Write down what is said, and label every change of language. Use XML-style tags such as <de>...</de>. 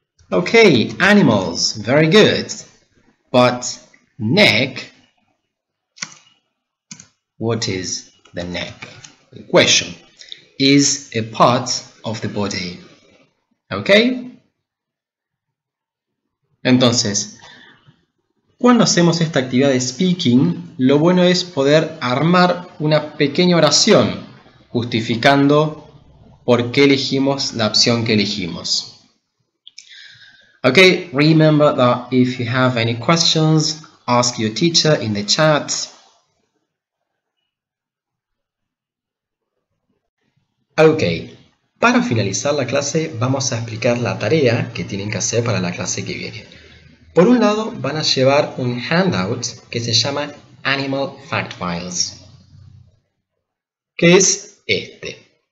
<en>Okay, animals, very good. But neck, what is the neck? The question is a part of the body. Okay?</en> <es>Entonces, cuando hacemos esta actividad de speaking, lo bueno es poder armar una pequeña oración justificando por qué elegimos la opción que elegimos.</es> <en>Okay, remember that if you have any questions, ask your teacher in the chat.</en> <es>Ok, para finalizar la clase vamos a explicar la tarea que tienen que hacer para la clase que viene. Por un lado van a llevar un handout que se llama Animal Fact Files, que es este.</es>